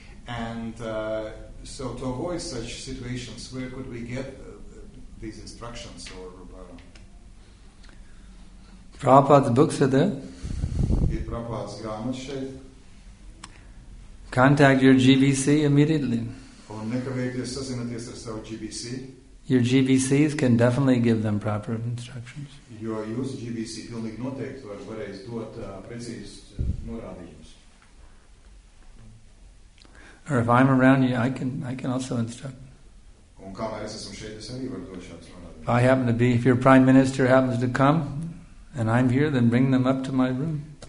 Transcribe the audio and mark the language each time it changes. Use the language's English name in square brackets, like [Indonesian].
[English] And so to avoid such situations, where could we get these instructions or Prabhupada's books are there. [Latvian] Ir Prabhupada's grāmatas šeit. [English] Contact your GBC immediately. [Latvian] Un nekavēties sazināties ar savu GBC. [English] Your GBCs can definitely give them proper instructions. [Latvian] Jo jūsu GBC pilnīgi noteikti varēs dot precīzus norādījumus. [English] Or if I'm around you, I can also instruct. [Latvian] Un kamēr es esmu šeit, es arī varu dot šādus norādījumus. [English] I happen to be, if your prime minister happens to come, and I'm here, then bring them up to my room.